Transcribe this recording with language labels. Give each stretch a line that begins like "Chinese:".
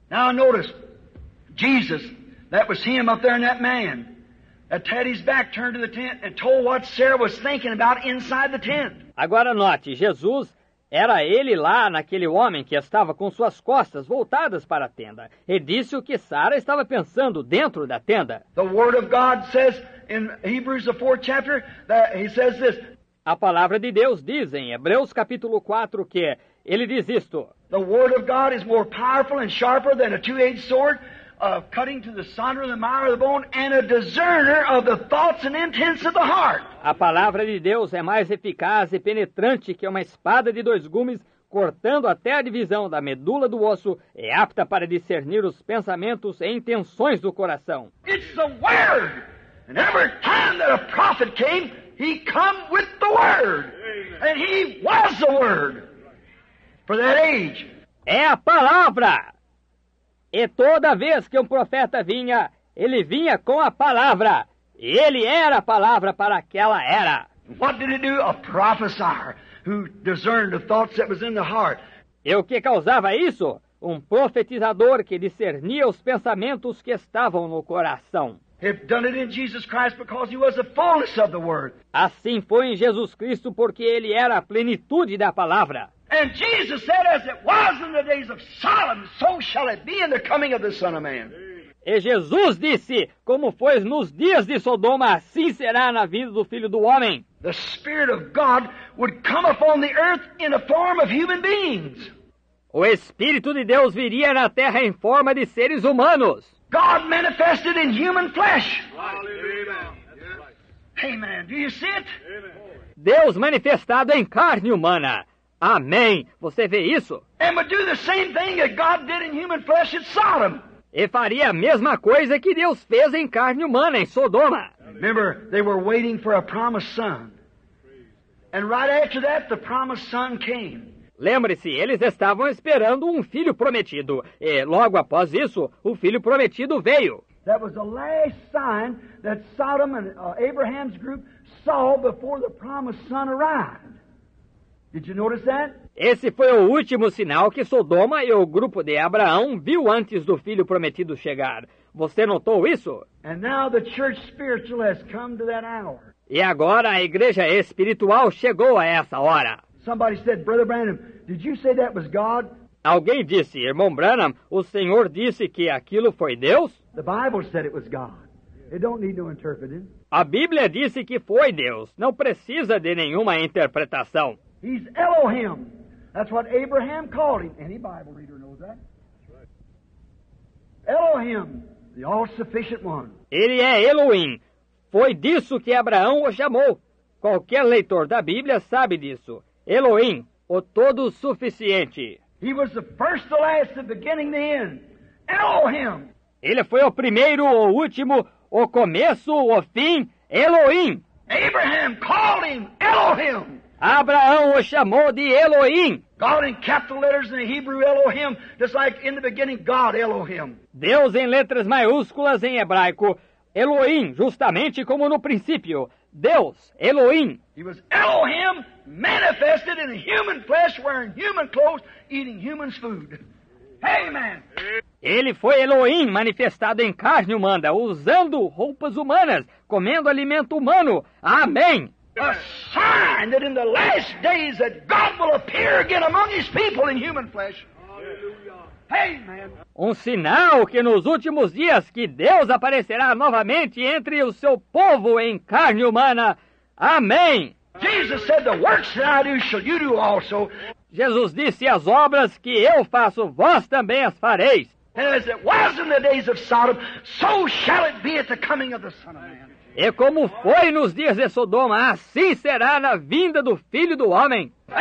English: Now notice, Jesus, that was him up there in that man. That had his back turned to the tent and told what Sarah was thinking about inside the tent.
Portuguese: Agora note, Jesus era ele lá naquele homem que estava com suas costas voltadas para a tenda. E disse o que Sarah estava pensando dentro da tenda.
English: The word of God says in Hebrews the 4th chapter that he says this.
Portuguese: A palavra de Deus diz em Hebreus capítulo 4 que ele diz isto.
English: The word of God is more powerful and sharper than a two-edged sword. Of cutting to the sonder of the marrow of the bone and a discerner of the thoughts and intents of the heart.
Portuguese: A palavra de Deus é mais eficaz e penetrante que uma espada de dois gumes, cortando até a divisão da medula do osso, é apta para discernir os pensamentos e intenções do coração.
English: It's the word. And every time that a prophet came, he come with the word. And he was the word for that age.
Portuguese: É a palavra. E toda vez que um profeta vinha, ele vinha com a palavra. E ele era a palavra para aquela era.
English: What did he do? A professor who discerned the thoughts that was in the heart.
Portuguese: E o que causava isso? Um profetizador que discernia os pensamentos que estavam no coração.
English: He'd done it in Jesus Christ because he was the fullness of the word.
Portuguese: Assim foi em Jesus Cristo porque ele era a plenitude da palavra.
English: And Jesus said, as it was in the days of Sodom, so shall it be in the coming of the Son of Man.
Portuguese: E Jesus disse, como foi nos dias de Sodoma, assim será na vinda do Filho do Homem.
English: The Spirit of God would come upon the earth in a form of human beings.
Portuguese: O Espírito de Deus viria na terra em forma de seres humanos.
English: God manifested in human flesh. Amen. Right. Amen. Do you see it? Amen.
Portuguese: Deus manifestado em carne humana. Amém. Você vê isso?
English: And would do the same thing that God did in human flesh at Sodom.
Portuguese: E faria a mesma coisa que Deus fez em carne humana em Sodoma.
English: Remember, they were waiting for a promised son. And right after that, the promised son came.
Portuguese: Lembre-se, eles estavam esperando um filho prometido. E logo após isso, o filho prometido veio.
English: That was the last sign that Sodom and Abraham's group saw before the promised son arrived. Did you notice that?
Portuguese: Esse foi o último sinal que Sodoma e o grupo de Abraão viu antes do filho prometido chegar. Você notou isso?
English: And now the church spiritual has come to that hour.
Portuguese: E agora a igreja espiritual chegou a essa hora.
English: Somebody said, Brother Branham, did you say that was God?
Portuguese: Alguém disse, irmão Branham, o Senhor disse que aquilo foi Deus?
English: The Bible said it was God. It don't need no interpreting.
Portuguese: A Bíblia disse que foi Deus. Não precisa de nenhuma interpretação.
English: He's Elohim. That's what Abraham called him. Any Bible reader knows that. Elohim, the all-sufficient one.
Portuguese: Ele é Elohim. Foi disso que Abraão o chamou. Qualquer leitor da Bíblia sabe disso. Elohim, o todo-suficiente.
English: He was the first, the last, the beginning, the end. Elohim.
Portuguese: Ele foi o primeiro, o último, o começo, o fim, Elohim.
English: Abraham called him Elohim.
Portuguese: Abraão o chamou de Elohim.
English: God in capital letters in Hebrew, Elohim, just like in the beginning, God, Elohim.
Portuguese: Deus em letras maiúsculas em hebraico, Elohim, justamente como no princípio, Deus, Elohim.
English: He was Elohim manifested in human flesh, wearing human clothes, eating human food. Amen.
Portuguese: Ele foi Elohim manifestado em carne humana, usando roupas humanas, comendo alimento humano. Amém.
English: A sign that in the last days that God will appear again among his people in human flesh. Amen.
Portuguese: Um sinal que nos últimos dias que Deus aparecerá novamente entre o seu povo em carne humana. Amém.
English: Jesus said, the works that I do shall you do also.
Portuguese: Jesus disse, as obras que eu faço, vós também as fareis.
English: As it was in the days of Sodom, so shall it be at the coming of the Son of Man.
Portuguese: E como foi nos dias de Sodoma, assim será na vinda do Filho do Homem.